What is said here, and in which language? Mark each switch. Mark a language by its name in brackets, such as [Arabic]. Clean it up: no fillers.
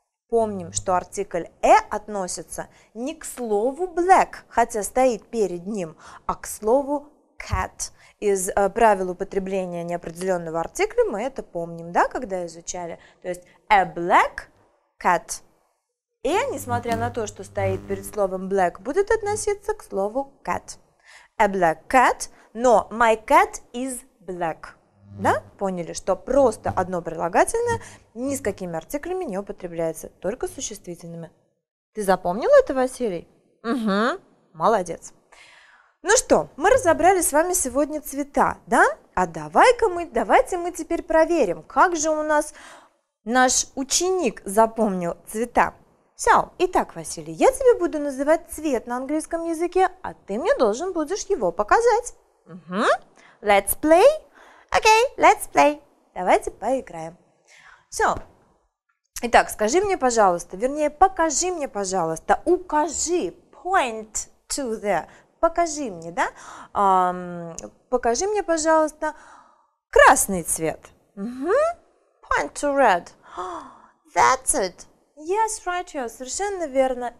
[Russian] Помним, что артикль «э» относится не к слову «black», хотя стоит перед ним, а к слову «cat». Из правил употребления неопределенного артикля мы это помним, да, когда изучали. То есть [English] «a black cat». [Russian] И, несмотря на то, что стоит перед словом black, будет относиться к слову cat. [English] A black cat, но my cat is black. Да? [Russian] Поняли, что просто одно прилагательное ни с какими артиклями не употребляется, только существительными. Ты запомнил это, Василий? Угу. Молодец. Ну что, мы разобрали с вами сегодня цвета, да? А давайте мы теперь проверим, как же у нас наш ученик запомнил цвета. Все. Итак, Василий, я тебе буду называть цвет на английском языке, а ты мне должен будешь его показать. [English] Угу. Let's play. Окей, let's play. [Russian] Давайте поиграем. Все. Итак, скажи мне, пожалуйста, вернее, покажи мне, пожалуйста, укажи, [English] point to the, [Russian] покажи мне, да? Покажи мне, пожалуйста, красный цвет. [English] Угу. Point to red. That's it. Yes, right, yes, [Russian] совершенно верно.